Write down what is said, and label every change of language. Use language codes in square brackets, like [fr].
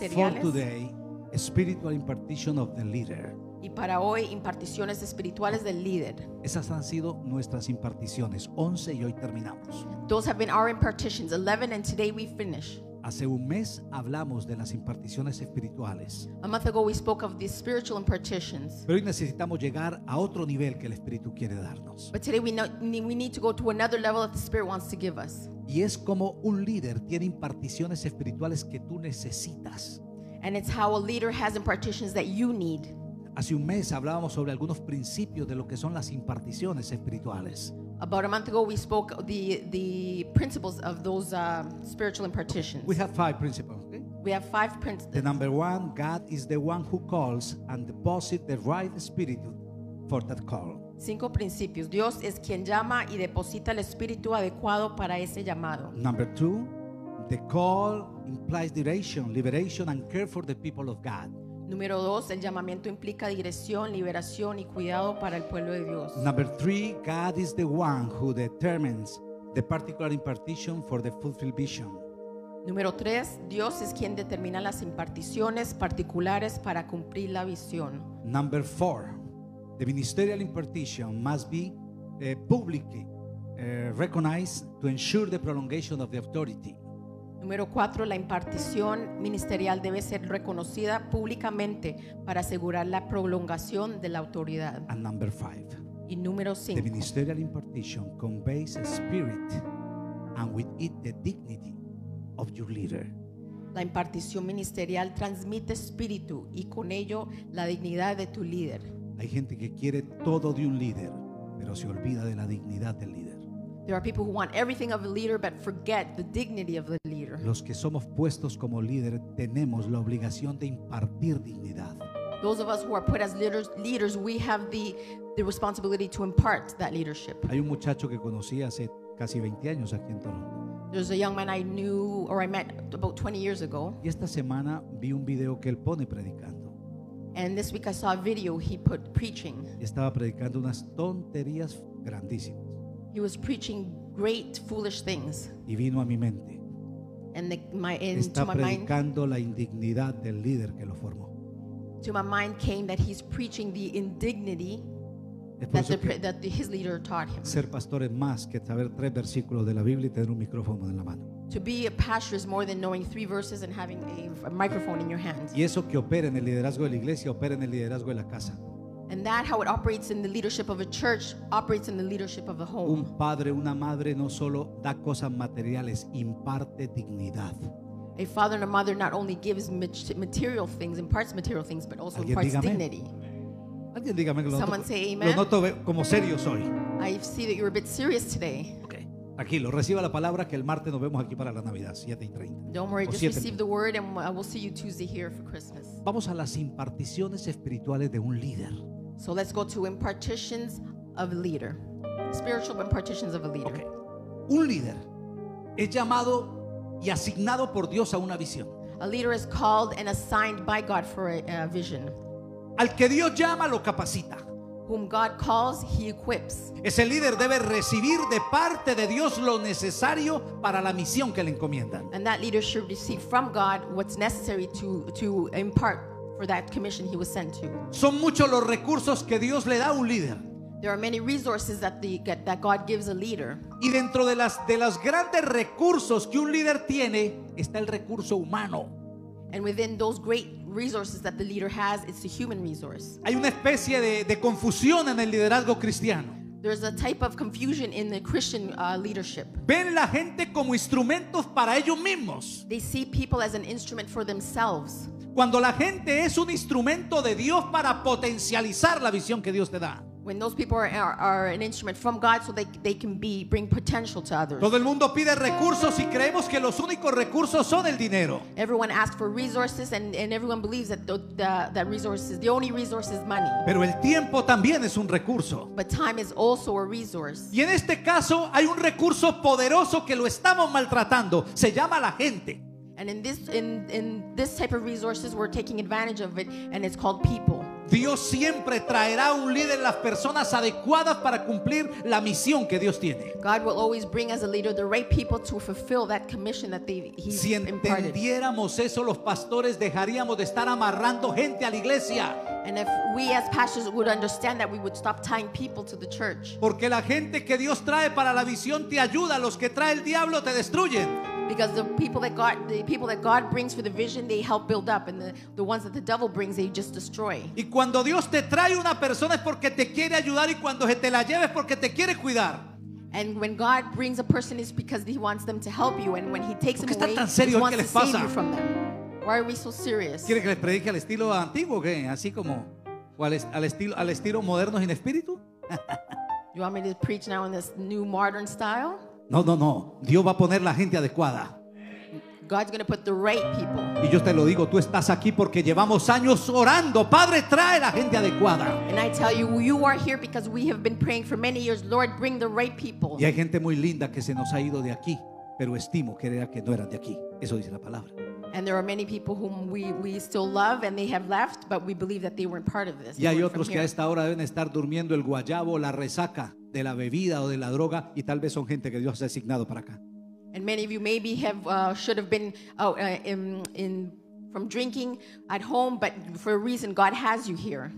[en] And for today, spiritual impartition of the leader. [es] Y para hoy, imparticiones espirituales del líder. Esas han sido nuestras imparticiones, 11 y hoy terminamos. [en] Those have been our impartitions, 11, and today we finish. [es] Hace un mes hablamos de las imparticiones espirituales. [en] A month ago we spoke of the spiritual impartitions. [es] Pero hoy necesitamos llegar a otro nivel que el Espíritu quiere darnos. [en] But today we need to go to another level that the Spirit wants to give us. [es] Y es como un líder tiene imparticiones espirituales que tú necesitas. [en] And it's how a leader has impartitions that you need. [es] Hace un mes hablábamos sobre algunos principios de lo que son las imparticiones espirituales. [en] About a month ago we spoke the principles of those spiritual impartitions. We have five principles. We have five principles. The number one, God is the one who calls and deposits the right spirit for that call. [es] Cinco principios. Dios es quien llama y deposita el espíritu adecuado para ese llamado. [en] Number two, the call implies direction, liberation and care for the people of God. [es] Número dos, el llamamiento implica dirección, liberación y cuidado para el pueblo de Dios. [en] Number three, God is the one who determines the particular impartition for the fulfilled vision. [es] Número tres, Dios es quien determina las imparticiones particulares para cumplir la visión. [en] Number four, the ministerial impartition must be publicly recognized to ensure the prolongation of the authority. [es] Número cuatro, la impartición ministerial debe ser reconocida públicamente para asegurar la prolongación de la autoridad. [en] And number five, [es] y número cinco, [en] the ministerial impartition conveys a spirit and with it the dignity of your leader. [es] La impartición ministerial transmite espíritu y con ello la dignidad de tu líder. Hay gente que quiere todo de un líder, pero se olvida de la dignidad del líder. [en] There are people who want everything of a leader but forget the dignity of the leader. [es] Los que somos puestos como líder tenemos la obligación de impartir dignidad. [en] Those of us who are put as leaders, we have the responsibility to impart that leadership. [es] Hay un muchacho que conocí hace casi 20 años aquí en Toronto. [en] There's a young man I met about 20 years ago. [es] Y esta semana vi un video que él pone predicando. [en] And this week I saw a video he put preaching. [es] Y estaba predicando unas tonterías grandísimas. [en] He was preaching great foolish things. [es] Y vino a mi mente. [en] And [es] está predicando la indignidad del líder que lo formó. [en] To my mind came that he's preaching the indignity that his leader taught him. [es] Ser pastor es más que saber tres versículos de la Biblia y tener un micrófono en la mano. [en] To be a pastor is more than knowing three verses and having a microphone in your hand. [es] Y eso que opera en el liderazgo de la iglesia opera en el liderazgo de la casa. [en] And that how it operates in the leadership of a church operates in the leadership of the home. [es] Un padre, una madre no solo da cosas materiales, imparte dignidad. [en] A father and a mother not only gives material things, imparts material things, but also imparts [es] dígame [en] dignity. [es] Alguien dígame que lo [en] Someone [es] noto, [en] say amen. [es] Lo noto como serio soy. [en] I see that you're a bit serious today. Okay. [es] Tranquilo, reciba la palabra que el martes nos vemos aquí para la Navidad, 7:30. [en] Don't worry, just receive the word and I will see you Tuesday here for Christmas. [es] Vamos a las imparticiones espirituales de un líder. [en] So let's go to impartitions of a leader. Spiritual impartitions of a leader. Okay. [es] Un líder es llamado y asignado por Dios a una visión. [en] A leader is called and assigned by God for a vision. [es] Al que Dios llama lo capacita. [en] Whom God calls, he equips. [es] Ese líder debe recibir de parte de Dios lo necesario para la misión que le encomiendan. [en] And that leader should receive from God what's necessary to impart for that commission he was sent to. [es] Son muchos los recursos que Dios le da a un líder. [en] There are many resources that God gives a leader. [es] Y dentro de las grandes recursos que un líder tiene está el recurso humano. [en] And within those great resources that the leader has, it's a human resource. [es] Hay una especie de confusión en el liderazgo cristiano. [en] There's a type of confusion in the Christian leadership. [es] Ven la gente como instrumentos para ellos mismos. [en] They see people as an instrument for themselves. [es] Cuando la gente es un instrumento de Dios para potencializar la visión que Dios te da. [en] When those people are an instrument from God, so they can bring potential to others. [es] Todo el mundo pide recursos y creemos que los únicos recursos son el dinero. [en] Everyone asks for resources and everyone believes that the resources, the only resource is money. [es] Pero el tiempo también es un recurso. [en] But time is also a resource. [es] Y en este caso hay un recurso poderoso que lo estamos maltratando. Se llama la gente. [en] And in this type of resources, we're taking advantage of it, and it's called people. [es] Dios siempre traerá un líder las personas adecuadas para cumplir la misión que Dios tiene. [en] God will always bring as a leader the right people to fulfill that commission that he imparted. [es] Si entendiéramos eso, los pastores dejaríamos de estar amarrando gente a la iglesia. [en] And if we as pastors would understand that, we would stop tying people to the church. [es] Porque la gente que Dios trae para la visión te ayuda, los que trae el diablo te destruyen. [en] Because the people that God brings for the vision, they help build up, and the ones that the devil brings, they just destroy. [es] Y cuando Dios te trae una persona es porque te quiere ayudar, y cuando se te la lleva es porque te quiere cuidar. [en] And when God brings a person, it's because he wants them to help you, and when he takes them away, [es] tan serio, [en] he wants to [es] pasa? [en] Save you from them. Why are we so serious? [es] ¿Quiere que les predique al estilo antiguo, qué? Así como al estilo moderno sin espíritu. [en] You want me to preach now in this new modern style? [es] No. Dios va a poner la gente adecuada. [en] God's going to put the right people. [es] Y yo te lo digo, tú estás aquí porque llevamos años orando. Padre, trae la gente adecuada. [en] And I tell you, you are here because we have been praying for many years. Lord, bring the right people. [es] Y hay gente muy linda que se nos ha ido de aquí, pero estimo que era que no eran de aquí. Eso dice la palabra. [en] And there are many people whom we still love and they have left, but we believe that they weren't part of this. [es] Y hay otros que a esta hora deben estar durmiendo el guayabo, la resaca de la bebida o de la droga, y tal vez son gente que Dios ha designado para acá. [en] And many of you maybe should have been from drinking at home, but for a reason God has you here.